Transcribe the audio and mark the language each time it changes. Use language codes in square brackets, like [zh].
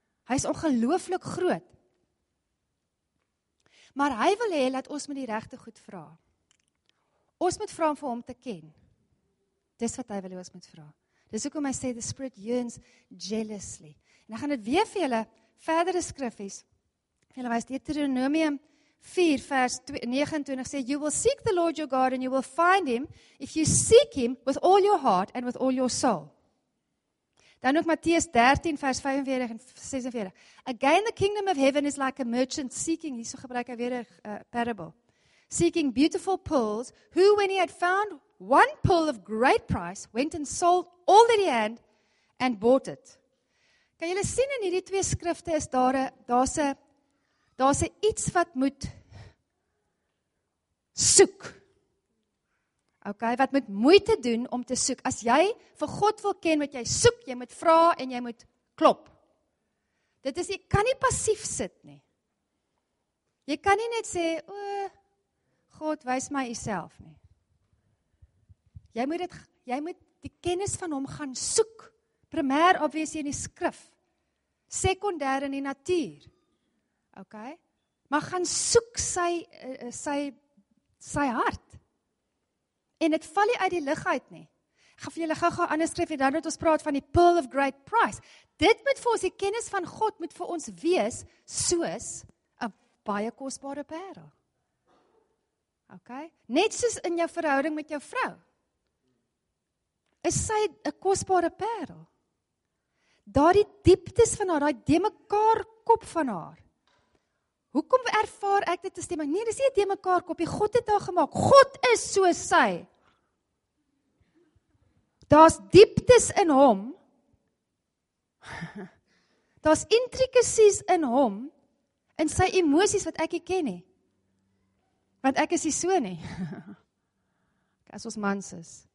[af] Hy is ongelooflik groot. Maar hy wil hê dat ons met die regte goed vra. Ons moet vra vir hom te ken. Dis wat hy wil hê ons moet vra. Dis hoekom hy sê [en] the spirit yearns jealously. [af] En ek gaan dit weer vir julle verdere skriffies. Julle wys Deuteronomium 4 vers 29 sê [en] you will seek the Lord your God and you will find him if you seek him with all your heart and with all your soul. [af] Dan ook Matteus 13 vers 45 en 46. [en] Again the kingdom of heaven is like a merchant seeking, [af] hierso gebruik hy weer 'n parable. [en] Seeking beautiful pearls, who when he had found one pearl of great price, went and sold all that he had and bought it. [af] Kan julle sien in hierdie twee skrifte is daar's 'n iets wat moet soek. Okay, wat moet moeite doen om te soek. As jy vir God wil ken wat jy soek, jy moet vra en jy moet klop. Dit is jy kan nie passief sit nie. Jy kan nie net sê, "O God, wys my uself nie." Jy moet die kennis van hom gaan soek. Primêr obviously in die skrif. Sekondêr in die natuur. Okay? Maar gaan soek sy hart. En dit val nie uit die lug uit nie. Ek gaan vir julle gou-gou anders skryf en dan moet ons praat van die [en] pearl of great price. [af] Dit moet vir ons die kennis van God moet vir ons wees soos 'n baie kosbare parel. Okay? Net soos in jou verhouding met jou vrou. Is sy 'n kosbare parel? Daardie dieptes van haar, daai de mekaar kop van haar. Hoekom ervaar ek dit as demon? Nee, dis nie 'n deemekaar kopie. God het haar gemaak. God is so sy. Daar's dieptes in hom. Daar's intrikasies in hom in sy emosies wat ek nie ken nie. Want ek is nie so nie. As ons mans is.